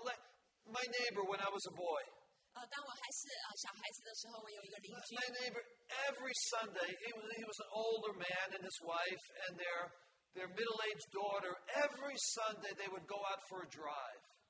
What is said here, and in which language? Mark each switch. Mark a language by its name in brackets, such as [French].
[English] Like my neighbor when I was a boy. [Chinese] 当我还是小孩子的时候，我有一个邻居。 [English] My neighbor every Sunday. He was an older man and his wife and their middle-aged daughter. Every Sunday they would go out for a drive.